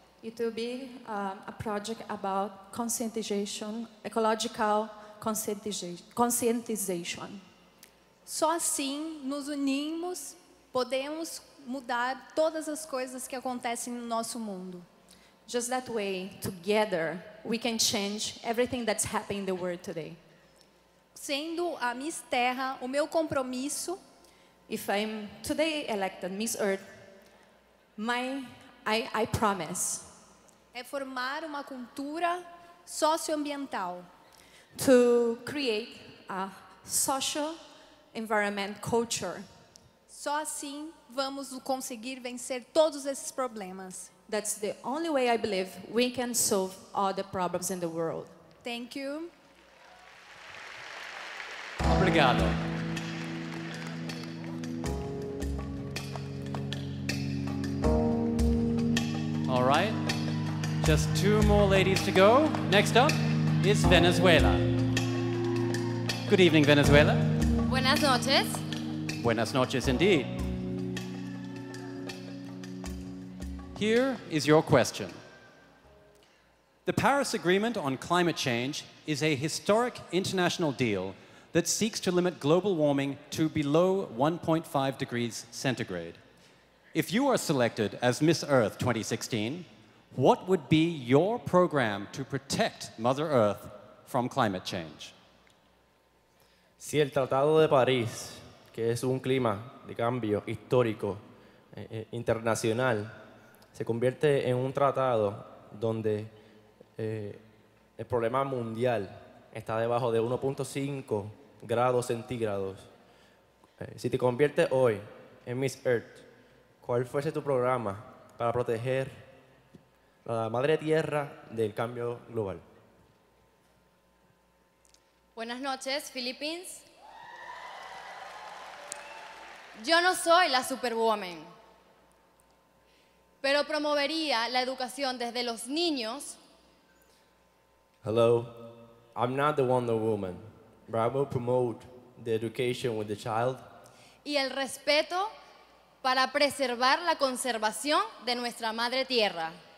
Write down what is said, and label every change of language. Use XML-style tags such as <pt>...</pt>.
<en>It will be a project about conscientization, ecological conscientization.</en> <pt>Só assim nos unimos, podemos mudar todas as coisas que acontecem no nosso mundo.</pt> <en>Just that way, together, we can change everything that's happening in the world today.</en> <pt>Sendo a Miss Terra, o meu compromisso,</pt> <en>if I'm today elected Miss Earth, I promise,</en> <pt>é formar uma cultura socioambiental.</pt> <en>To create a social environment culture.</en> <pt>Só assim vamos conseguir vencer todos esses problemas.</pt> <en>That's the only way I believe we can solve all the problems in the world. Thank you.</en> <pt>Obrigado.</pt> <en>All right. Just two more ladies to go. Next up is Venezuela. Good evening, Venezuela.</en> <es>Buenas noches. Buenas noches,</es> <en>indeed. Here is your question. The Paris Agreement on climate change is a historic international deal that seeks to limit global warming to below 1.5 degrees centigrade. If you are selected as Miss Earth 2016, what would be your program to protect Mother Earth from climate change?</en> <es>Si el Tratado de París, que es un clima de cambio histórico internacional, se convierte en un tratado donde el problema mundial está debajo de 1.5 grados centígrados. Si te conviertes hoy en Miss Earth, ¿cuál fuese tu programa para proteger la Madre Tierra del cambio global? Buenas noches, Philippines. Yo no soy la Superwoman, pero promovería la educación desde los niños.</es> <en>Hello, I'm not the Wonder Woman, but I will promote the education with the child.</en> <es>Y el respeto para preservar la conservación de nuestra Madre Tierra.</es>